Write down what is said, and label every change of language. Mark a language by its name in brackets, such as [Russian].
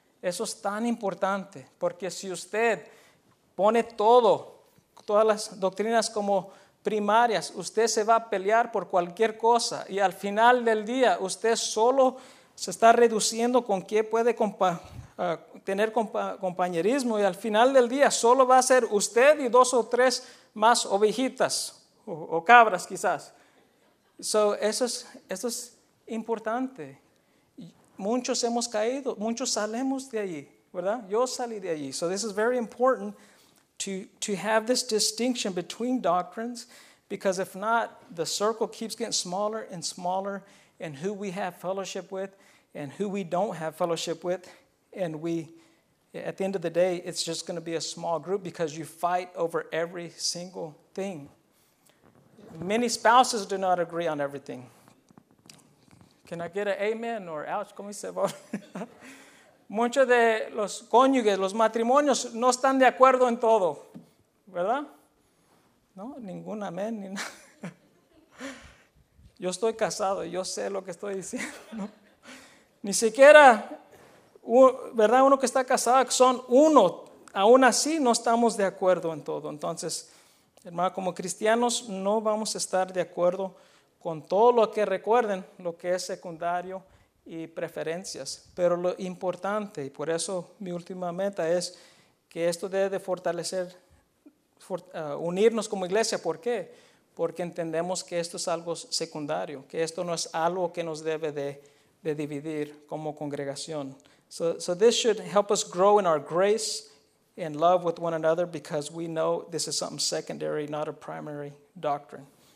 [Spanish] Eso es tan importante, porque si usted pone todas las doctrinas como primarias, usted se va a pelear por cualquier cosa y al final del día usted solo se está reduciendo con qué puede tener compañerismo y al final del día solo va a ser usted y dos o tres más ovejitas o cabras quizás. So, eso es importante. Muchos hemos caído, muchos salimos de allí, ¿verdad? Yo salí de allí. [English] So this is very important to have this distinction between doctrines, because if not, the circle keeps getting smaller and smaller in who we have fellowship with and who we don't have fellowship with. And we, at the end of the day, it's just going to be a small group because you fight over every single thing. Many spouses do not agree on everything. Can I get an amen or ouch? [Spanish] ¿Cómo se va? Muchos de los cónyuges, los matrimonios, no están de acuerdo en todo, ¿verdad? No, ningún amén ni nada. Yo estoy casado, yo sé lo que estoy diciendo, ¿no? Ni siquiera, ¿verdad? Uno que está casado, son uno, aún así no estamos de acuerdo en todo. Entonces, hermano, como cristianos no vamos a estar de acuerdo con todo lo que recuerden, lo que es secundario y preferencias. Pero lo importante, y por eso mi última meta es que esto debe de fortalecer, unirnos como iglesia. ¿Por qué? Porque entendemos que esto es algo secundario, que esto no es algo que nos debe de dividir como congregación. [English] So this should help us grow in our grace and love with one another because we know this is something secondary, not a primary doctrine.